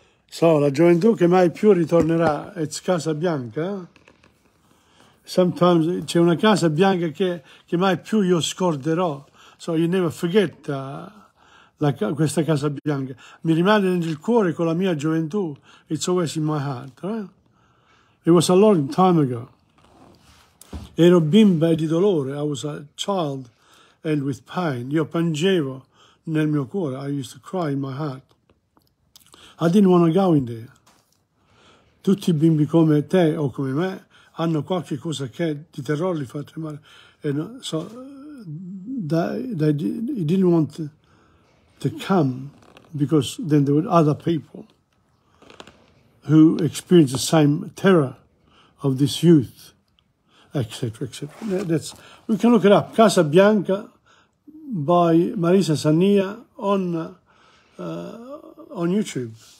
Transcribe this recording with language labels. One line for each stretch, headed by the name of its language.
Italian: So, la gioventù che mai più ritornerà, it's casa bianca. Sometimes c'è una casa bianca che mai più io scorderò.
English: So, you never forget
Italian: questa casa bianca. Mi rimane nel cuore con la mia gioventù.
English: It's always in my heart. Right? It was a long time ago.
Italian: Ero bimba di dolore,
English: I was a child and with pain.
Italian: Io piangevo nel mio cuore,
English: I used to cry in my heart. I didn't want to go in there.
Italian: Tutti i bimbi come te o come me hanno qualche cosa che di terrore li fa tremare.
English: And so they didn't want to come because then there were other people who experienced the same terror of this youth. Etc. That's, we can look it up. Casa Bianca by Marisa Sania on YouTube.